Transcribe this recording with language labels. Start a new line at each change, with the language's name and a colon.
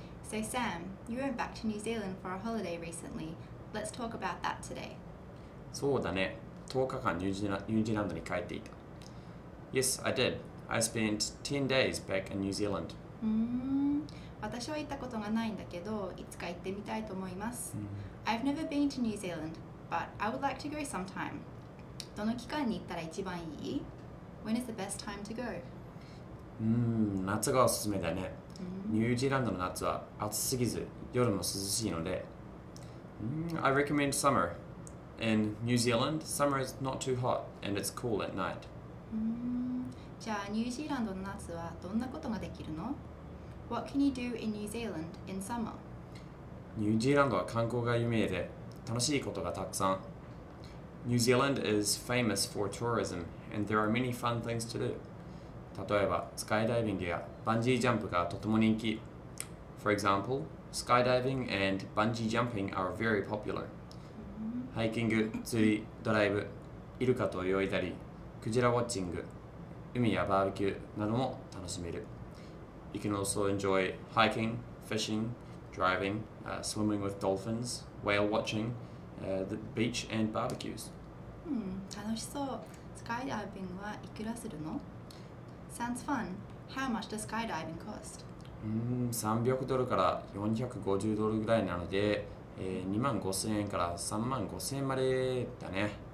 English: So, Sam, you went back to New Zealand for a holiday recently. Let's talk about that today.
Japanese: そうだね。 10日間ニュージーランドに帰っていた。
English: Yes, I did. I spent 10 days back in New Zealand.
Japanese: 私は行ったことがないんだけど、いつか行ってみたいと思います。
English: I've never been to New Zealand, but I would like to go sometime.
Japanese: どの期間に行ったら一番いい?
English: When is the best time to go?
Japanese: 夏がおすすめだね。ニュージーランドの夏は暑すぎず、夜も涼しいので。
English: I recommend summer. In New Zealand, summer is not too hot and it's cool at night.
Japanese: じゃあニュージーランドの夏はどんなことができるの?
English: What can you do in New Zealand in summer?
Japanese: ニュージーランドは観光が有名で楽しいことがたくさん。
English: New Zealand is famous for tourism and there are many fun things to do.
Japanese: 例えばスカイダイビングやバンジージャンプがとても人気。
English: For example, skydiving and bungee jumping are very popular.
Japanese: ハイキング、釣り、ドライブ、イルカと泳いだり、クジラウォッチング、海やバーベキューなども楽しめる。
English: You can also enjoy hiking, fishing, driving, swimming with dolphins, whale watching, the beach and barbecues.
Japanese: 楽しそう。スカイダイビングはいくらするの?
English: Sounds fun. How much does skydiving cost?
Japanese: 300ドルから450ドルぐらいなので、2万5000円から3万5000円までだね。